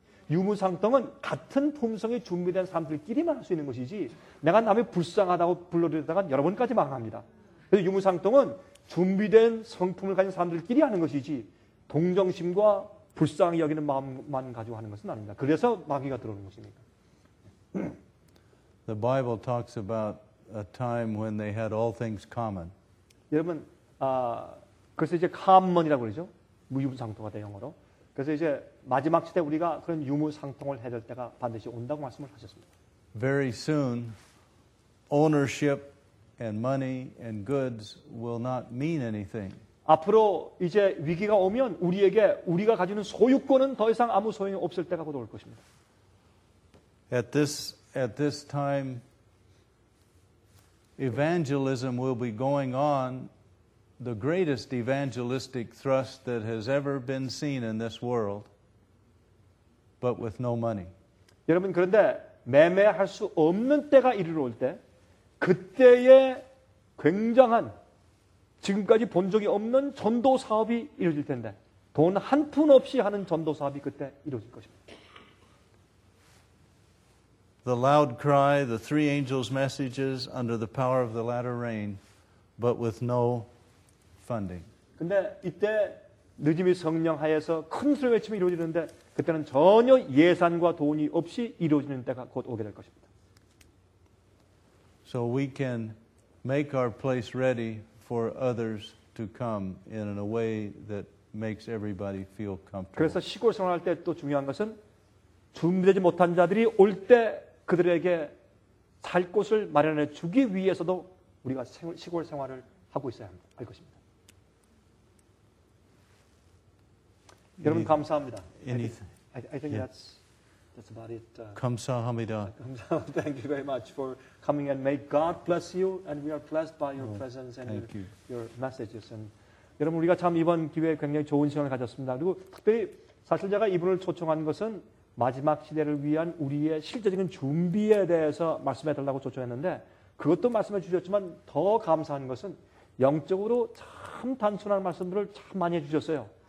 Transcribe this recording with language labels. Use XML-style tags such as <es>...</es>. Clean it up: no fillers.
<ko>유무상통은 같은 품성에 준비된 사람들끼리만 할 수 있는 것이지 내가 남의 불쌍하다고 불러드리다가 여러분까지 망합니다. 그래서 유무상통은 준비된 성품을 가진 사람들끼리 하는 것이지 동정심과 불쌍히 여기는 마음만 가지고 하는 것은 아닙니다. 그래서 마귀가 들어오는 것입니다.</ko> <en>The Bible talks about a time when they had all things common.</en> <ko>여러분, 그래서 이제 common이라고 그러죠. 유무상통화 된 영어로. 그래서 이제 마지막 시대 우리가 그런 유무상통을 해야 될 때가 반드시 온다고 말씀을 하셨습니다.</ko> <en>Very soon, ownership and money and goods will not mean anything.</en> <ko>앞으로 이제 위기가 오면 우리에게 우리가 가지는 소유권은 더 이상 아무 소용이 없을 때가 곧 올 것입니다.</ko> <en>At this time, evangelism will be going on, the greatest evangelistic thrust that has ever been seen in this world. but with no money.</en> <ko>여러분 그런데 매매할 수 없는 때가 이르러 올 때 그때의 굉장한 지금까지 본 적이 없는 전도 사업이 이루어질 텐데 돈 한 푼 없이 하는 전도 사업이 그때 이루어질 것입니다.</ko> <en>The loud cry, the three angels' messages under the power of the latter rain, but with no funding.</en> <ko>근데 이때 느지미 성령 하에서 큰 소리 외침이 이루어지는데 그때는 전혀 예산과 돈이 없이 이루어지는 때가 곧 오게 될 것입니다.</ko> <en>So we can make our place ready for others to come in a way that makes everybody feel comfortable.</en> <ko>그래서 시골 생활할 때 또 중요한 것은 준비되지 못한 자들이 올 때 그들에게 살 곳을 마련해 주기 위해서도 우리가 시골 생활을 하고 있어야 합니다. 할 것입니다. 여러분 감사합니다.</ko> <en>I think that's about it.</en> <ko>감사합니다. 감사합니다.</ko> <en>Thank you very much for coming and may God bless you and we are blessed by your presence and your messages. And</en> <ko>여러분 우리가 참 이번 기회에 굉장히 좋은 시간을 가졌습니다. 그리고 특별히 사실 제가 이분을 초청한 것은 마지막 시대를 위한 우리의 실제적인 준비에 대해서 말씀해 달라고 초청했는데 그것도 말씀해 주셨지만 더 감사한 것은 영적으로 참 단순한 말씀들을 참 많이 해 주셨어요.</ko>